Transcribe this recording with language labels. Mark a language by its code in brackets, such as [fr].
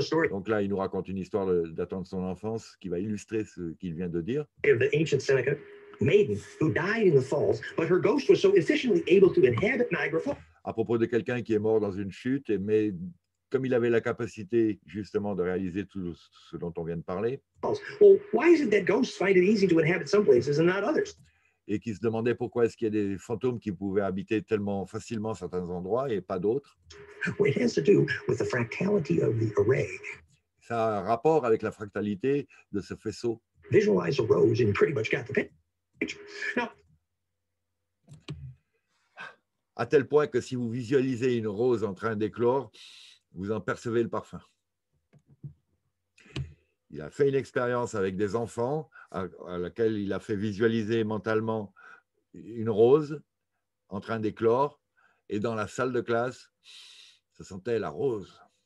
[fr] Donc là, il nous raconte une histoire datant de son enfance qui va illustrer ce qu'il vient de dire. [en] The ancient Seneca maiden who died in the falls, but her ghost was so efficiently able to inhabit Niagara Falls. [fr] À propos de quelqu'un qui est mort dans une chute, mais comme il avait la capacité justement de réaliser tout ce dont on vient de parler. [en] Well, why is it that ghosts find it easy to inhabit some places and not others? [fr] Et qui se demandait pourquoi est-ce qu'il y a des fantômes qui pouvaient habiter tellement facilement certains endroits et pas d'autres. [en] Well, it has to do with the fractality of the array. [fr] Ça a un rapport avec la fractalité de ce faisceau. [en] Visualize a rose and pretty much got the picture. Now, [fr] à tel point que si vous visualisez une rose en train d'éclore, vous en percevez le parfum. Il a fait une expérience avec des enfants à laquelle il a fait visualiser mentalement une rose en train d'éclore, et dans la salle de classe, ça sentait la rose.